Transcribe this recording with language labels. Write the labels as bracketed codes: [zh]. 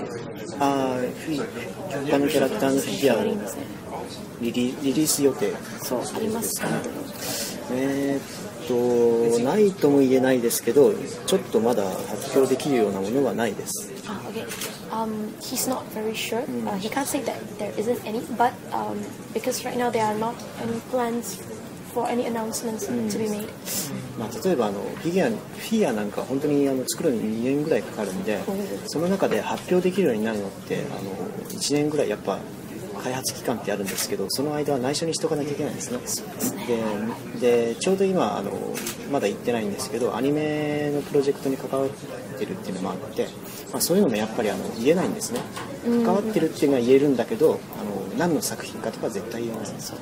[ja] はいあ他のキャラクターのフィギュアをリリース予定そうありますか、ね、ないとも言えないですけどちょっとまだ発表できるようなものはないですあ、ah, okay. [en] He's not very sure、he can't say that there isn't any but、because right now there are not any plans for any announcements to be made、 [ja] まあ、例えばフィギュアなんか本当に作るのに2年ぐらいかかるんでその中で発表できるようになるのって1年ぐらいやっぱ開発期間ってあるんですけどその間は内緒にしとかなきゃいけないんですね でちょうど今まだ行ってないんですけどアニメのプロジェクトに関わってるっていうのもあって、まあ、そういうのもやっぱり言えないんですね関わってるっていうのは言えるんだけど何の作品かとか絶対言えません